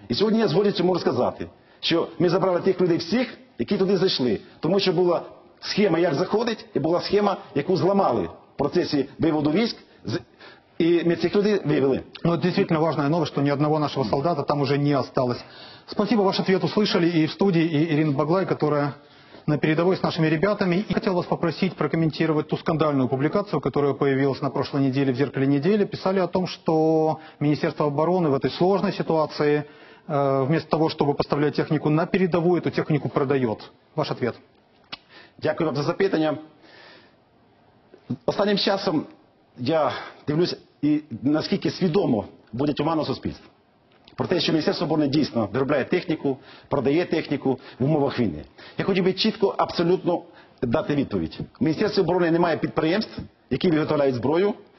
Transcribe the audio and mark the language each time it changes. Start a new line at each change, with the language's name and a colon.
Ukrainian: І сьогодні я з гордістю можу сказати, що ми забрали тих людей всіх, які туди зайшли. Тому що була схема, як заходить, і була схема, яку зламали в процесі виводу військ. І ми цих людей вивели. Ну, дійсно важна новина, що ні одного нашого солдата там уже не осталось.
Russian: Спасибо, ваш ответ услышали и в студии, и Ирина Баглай, которая на передовой с нашими ребятами. И хотел вас попросить прокомментировать ту скандальную публикацию, которая появилась на прошлой неделе в «Зеркале недели». Писали о том, что Министерство обороны в этой сложной ситуации, вместо того, чтобы поставлять технику на передовую, эту технику продает. Ваш ответ.
Ukrainian: Дякую вам за запитание. Останнім часом я дивлюсь, и наскільки свідомо будуть умовно суспільство. Про те, що Міністерство оборони дійсно виробляє техніку, продає техніку в умовах війни. Я хотів би чітко, абсолютно дати відповідь. Міністерство оборони не має підприємств, які виготовляють зброю.